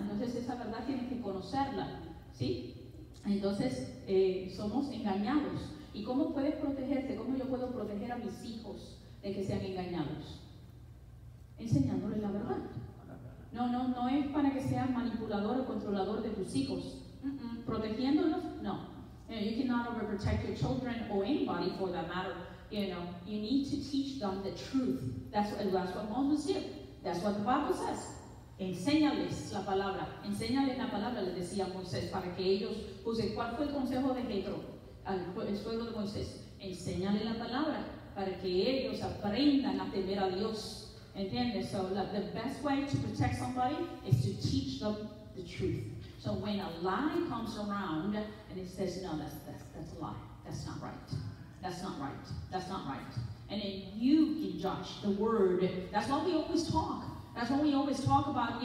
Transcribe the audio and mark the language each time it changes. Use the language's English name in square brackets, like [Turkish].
[Spanish] Entonces, esa verdad tienes que conocerla, ¿sí? Entonces, somos engañados. ¿Y cómo puedes protegerte? ¿Cómo yo puedo proteger a mis hijos de que sean engañados? Enseñándoles la verdad. No es para que seas manipulador o controlador de tus hijos. ¿Protegiéndolos? No. [English] You cannot overprotect your children or anybody for that matter. You need to teach them the truth. That's what Moses did. That's what the Bible says. [Spanish] Enséñales la palabra. Enséñales la palabra, les decía Moisés, para que ellos usen. ¿Cuál fue el consejo de Jetro? Al suegro de Moisés. Enséñale la palabra para que ellos aprendan a temer a Dios. ¿Entiendes? [English] So the best way to protect somebody is to teach them the truth. So when a lie comes around and it says, no, that's a lie. That's not right. And then you can judge the word. That's what we always talk. That's what we always talk about.